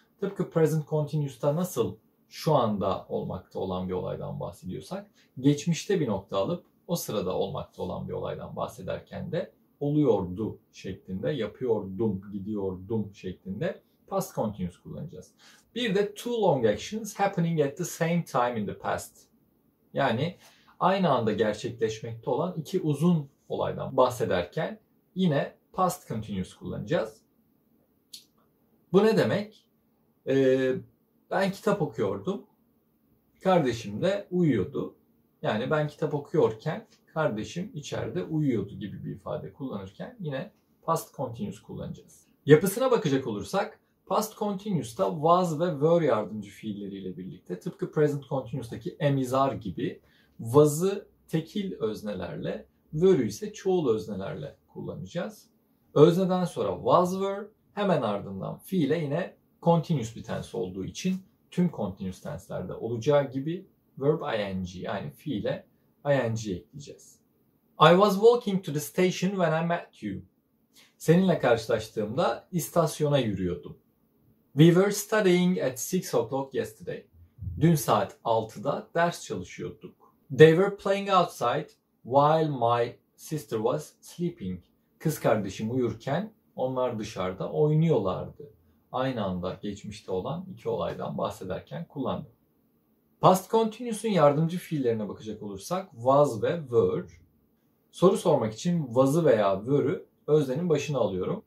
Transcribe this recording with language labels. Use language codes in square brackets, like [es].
[tr] Tıpkı present continuous'ta nasıl şu anda olmakta olan bir olaydan bahsediyorsak, geçmişte bir nokta alıp o sırada olmakta olan bir olaydan bahsederken de oluyordu şeklinde, yapıyordum, gidiyordum şeklinde past continuous kullanacağız. Bir de [en] two long actions happening at the same time in the past. [tr] Yani aynı anda gerçekleşmekte olan iki uzun olaydan bahsederken yine past continuous kullanacağız. Bu ne demek? Ben kitap okuyordum. Kardeşim de uyuyordu. Yani ben kitap okuyorken kardeşim içeride uyuyordu gibi bir ifade kullanırken yine past continuous kullanacağız. Yapısına bakacak olursak past continuous'ta was ve were yardımcı fiilleriyle birlikte tıpkı present continuous'taki am, is, are gibi was'ı tekil öznelerle, were'ü ise çoğul öznelerle kullanacağız. Özneden sonra was, were, hemen ardından fiile yine continuous bir tense olduğu için tüm continuous tenslerde olacağı gibi verb ing yani fiile ing ekleyeceğiz. [en] I was walking to the station when I met you. [tr] Seninle karşılaştığımda istasyona yürüyordum. [en] We were studying at 6 o'clock yesterday. [tr] Dün saat 6'da ders çalışıyorduk. [en] They were playing outside while my sister was sleeping. [tr] Kız kardeşim uyurken onlar dışarıda oynuyorlardı. Aynı anda geçmişte olan iki olaydan bahsederken kullandım. Past continuous'un yardımcı fiillerine bakacak olursak was ve were. Soru sormak için was'ı veya were'ü öznenin başına alıyorum.